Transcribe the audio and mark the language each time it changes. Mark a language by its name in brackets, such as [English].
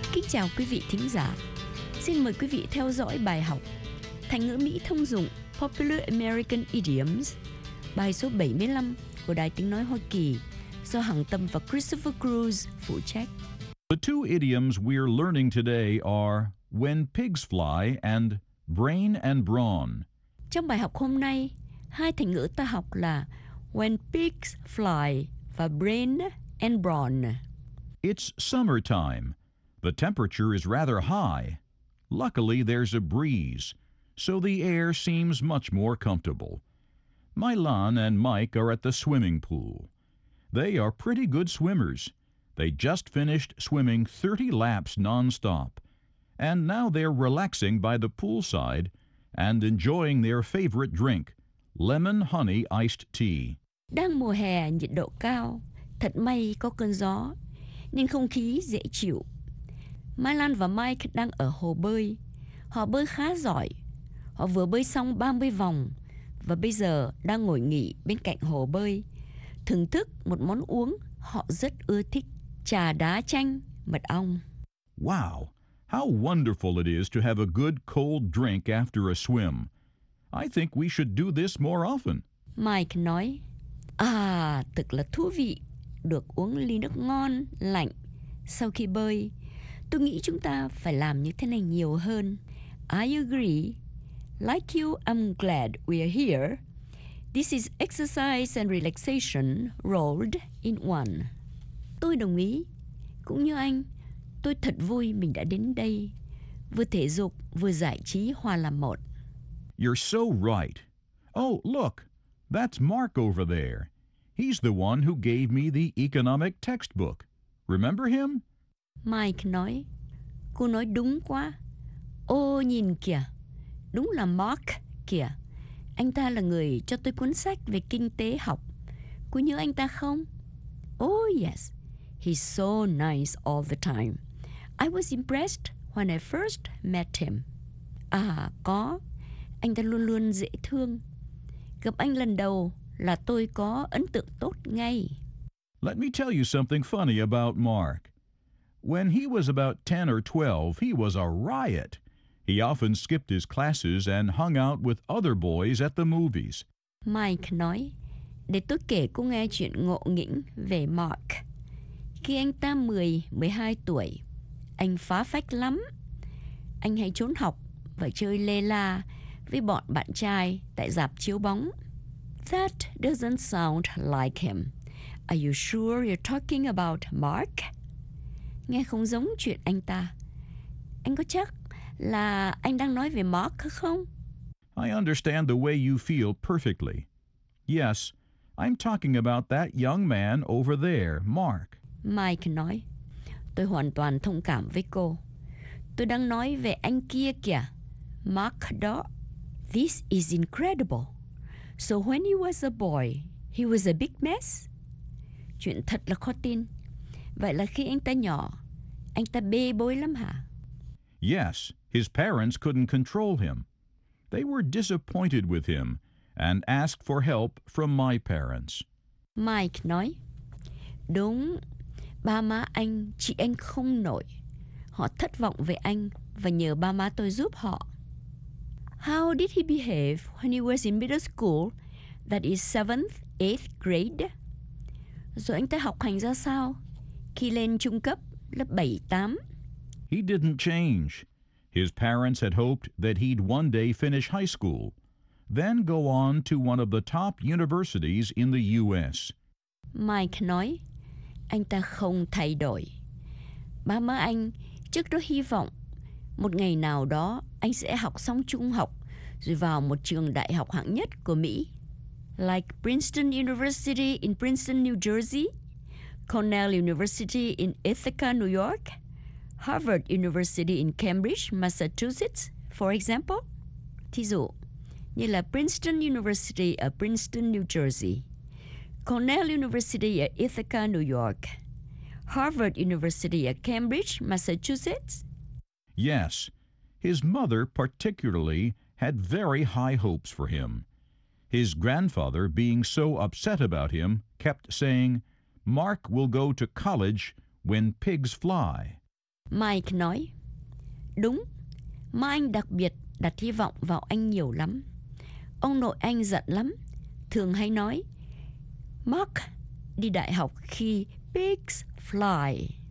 [Vietnamese] Chào quý vị thính giả. Xin mời quý vị theo dõi bài học Thành ngữ Mỹ thông dụng [English] Popular American Idioms, [Vietnamese] bài số 75 của Đài Tiếng Nói Hoa Kỳ do Hằng Tâm và Christopher Cruz phụ trách. [English] The two idioms we're learning today are when pigs fly and brain and brawn. [Vietnamese] Trong bài học hôm nay, hai thành ngữ ta học là [English] when pigs fly [Vietnamese] và [English] brain and brawn. It's summertime. The temperature is rather high. Luckily, there's a breeze, so the air seems much more comfortable. Milan and Mike are at the swimming pool. They are pretty good swimmers. They just finished swimming 30 laps nonstop, and now they're relaxing by the poolside and enjoying their favorite drink, lemon honey iced tea. [Vietnamese] Đang mùa hè, nhiệt độ cao. Thật may có cơn gió, nên không khí dễ chịu. Milan và Mike đang ở hồ bơi. Họ bơi khá giỏi. Họ vừa bơi xong 30 vòng và bây giờ đang ngồi nghỉ bên cạnh hồ bơi, thưởng thức một món uống họ rất ưa thích, trà đá chanh mật ong. [English] Wow, how wonderful it is to have a good cold drink after a swim. I think we should do this more often. [Vietnamese] Mike nói, à, thật là thú vị được uống ly nước ngon, lạnh sau khi bơi. Tôi nghĩ chúng ta phải làm như thế này nhiều hơn. [English] I agree. Like you, I'm glad we are here. This is exercise and relaxation rolled in one. [Vietnamese] Tôi đồng ý. Cũng như anh, Tôi thật vui mình đã đến đây, vừa thể dục, vừa giải trí hòa làm một. [English] You're so right. Oh, look, that's Mark over there. He's the one who gave me the economic textbook. Remember him? [Vietnamese] Mike nói, cô nói đúng quá. Ôi, nhìn kìa, đúng là Mark kìa. Anh ta là người cho tôi cuốn sách về kinh tế học. Cô nhớ anh ta không? [English] Oh, yes. He's so nice all the time. I was impressed when I first met him. [Vietnamese] À, có. Anh ta luôn luôn dễ thương. Gặp anh lần đầu là tôi có ấn tượng tốt ngay. [English] Let me tell you something funny about Mark. When he was about 10 or 12, he was a riot. He often skipped his classes and hung out with other boys at the movies. [Vietnamese] Mike nói, để tôi kể cô nghe chuyện ngộ nghĩnh về Mark. Khi anh ta 10, 12 tuổi, anh phá phách lắm. Anh hay trốn học và chơi lê la với bọn bạn trai tại rạp chiếu bóng. [English] That doesn't sound like him. Are you sure you're talking about Mark? [Vietnamese] Nghe không giống chuyện anh ta. Anh có chắc là anh đang nói về Mark không? [English] I understand the way you feel perfectly. Yes, I'm talking about that young man over there, Mark. [Vietnamese] Mike nói, tôi hoàn toàn thông cảm với cô. Tôi đang nói về anh kia kìa, Mark đó. [English] This is incredible. So when he was a boy, he was a big mess? [Vietnamese] Chuyện thật là khó tin. Vậy là khi anh ta nhỏ, anh ta bê bối lắm hả? [English] Yes, his parents couldn't control him. They were disappointed with him and asked for help from my parents. [Vietnamese] Mike nói, đúng, ba má anh, chị anh không nổi. Họ thất vọng về anh và nhờ ba má tôi giúp họ. [English] How did he behave when he was in middle school, that is 7th, 8th grade? [Vietnamese] Rồi anh ta học hành ra sao khi lên trung cấp lớp 7, 8? [English] He didn't change. His parents had hoped that he'd one day finish high school, then go on to one of the top universities in the U.S. [Vietnamese] Mike nói, anh ta không thay đổi. Ba má anh trước đó hy vọng một ngày nào đó anh sẽ học xong trung học rồi vào một trường đại học hạng nhất của Mỹ. [English] Like Princeton University in Princeton, New Jersey, Cornell University in Ithaca, New York, Harvard University in Cambridge, Massachusetts, for example. [Vietnamese] Thí dụ, như là Princeton University ở Princeton, New Jersey, Cornell University ở Ithaca, New York, Harvard University ở Cambridge, Massachusetts. [English] Yes, his mother particularly had very high hopes for him. His grandfather, being so upset about him, kept saying, Mark will go to college when pigs fly. [Vietnamese] Mike nói, đúng, má anh đặc biệt đặt hy vọng vào anh nhiều lắm. Ông nội anh giận lắm, thường hay nói, Mark đi đại học khi [English] pigs fly.